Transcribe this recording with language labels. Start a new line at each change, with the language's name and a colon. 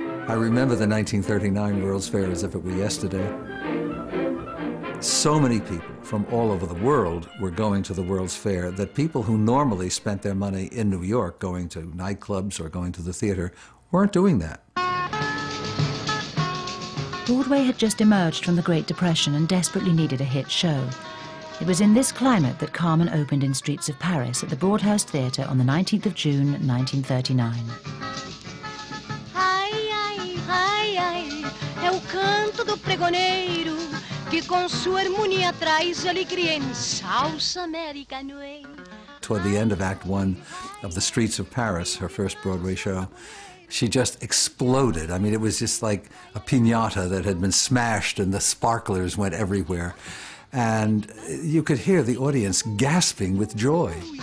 English: I remember the 1939 World's Fair as if it were yesterday. So many people from all over the world were going to the World's Fair that people who normally spent their money in New York going to nightclubs or going to the theater weren't doing that. Broadway had just emerged from the Great Depression and desperately needed a hit show. It was in this climate that Carmen opened in Streets of Paris at the Broadhurst Theatre on the 19th of June, 1939.
Portuguese: Ai, ai, ai, ai, é o canto do pregoneiro que com sua harmonia traz alegria em salsa americana.
English: Toward the end of Act One of The Streets of Paris, her first Broadway show, she just exploded. I mean, it was just like a piñata that had been smashed and the sparklers went everywhere. And you could hear the audience gasping with joy.